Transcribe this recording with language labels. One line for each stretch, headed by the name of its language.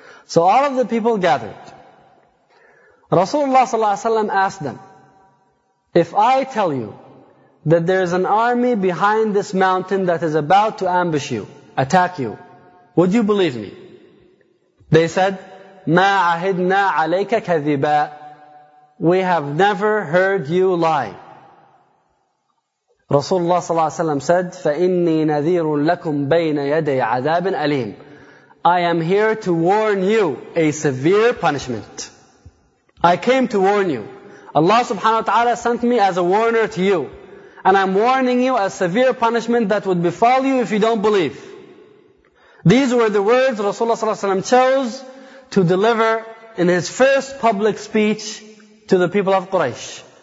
English: So all of the people gathered. Rasulullah sallallahu alaihi wasallam asked them, if I tell you that there is an army behind this mountain that is about to ambush you, attack you, would you believe me? They said,
Arabic: ma ahidna alayka kadhiba.
English: We have never heard you lie. Rasulullah sallallahu alaihi wasallam said,
Arabic: فَإِنِّي نَذِيرٌ لَكُمْ بَيْنَ يَدَيْ عَذَابٍ أَلِيمٍ.
English: I am here to warn you a severe punishment. I came to warn you. Allah subhanahu wa ta'ala sent me as a warner to you. And I'm warning you a severe punishment that would befall you if you don't believe. These were the words Rasulullah sallallahu alaihi wasallam chose to deliver in his first public speech to the people of Quraysh.